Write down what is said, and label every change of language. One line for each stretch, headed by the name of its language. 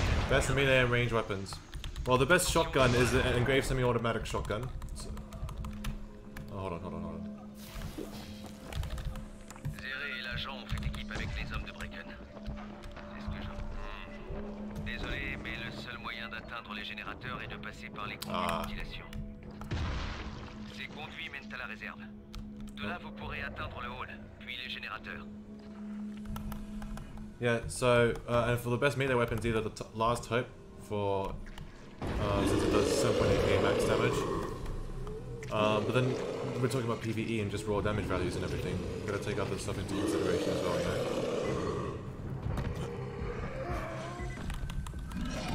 English: Best melee and range weapons. Well, the best shotgun is an engraved semi-automatic shotgun. So. Oh, hold on.
French: Zéré et l'agent ont fait équipe avec les hommes de Brecken. C'est ce que j'en... Désolé, mais le seul moyen d'atteindre les générateurs est de passer par les conduits de ventilation. Ces conduits mènent à la réserve. De là, vous pourrez atteindre le hall, puis les générateurs.
English: Yeah, so, and for the best melee weapons, either the Last Hope for, since it does 7.8k max damage. But then, we're talking about PvE and just raw damage values and everything. Gotta take other stuff into consideration as well, you know.